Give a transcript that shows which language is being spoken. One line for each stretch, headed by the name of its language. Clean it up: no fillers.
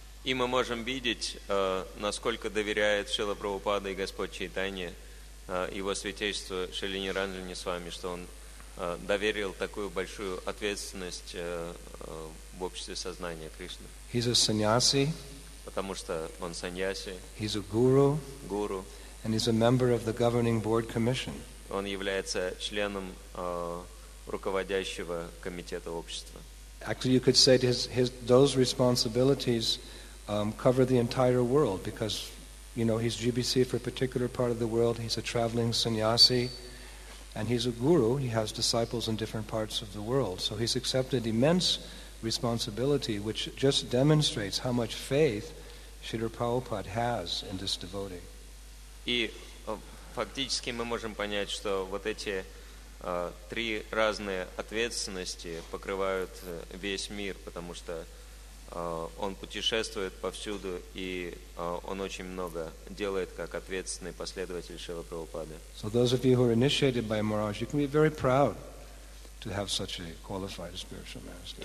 Russian: И мы можем видеть, насколько доверяет Śrīla Prabhupāda и Господь Чайтанья, Его Святейство Шрили Ниранджани Свами, что он доверил такую большую ответственность в обществе сознания Кришны.
English: He's a sannyasi.
Russian: Потому что он sannyasi.
English: He's a guru. Guru. And he's a member of the governing board commission.
Russian: Он является членом руководящего комитета общества.
English: Actually, you could say those responsibilities cover the entire world because, you know, he's GBC for a particular part of the world. He's a traveling sannyasi. And he's a guru, he has disciples in different parts of the world. So he's accepted immense responsibility, which just demonstrates how much faith Śrīla Prabhupāda has in this devotee.
Russian: И фактически мы можем понять, что вот эти три разные ответственности покрывают весь мир, потому что он путешествует повсюду, и он очень много делает как ответственный последователь Шрилы Прабхупады.
English: So those of you who are initiated by Maharaj, you can be very proud to have such a qualified spiritual master.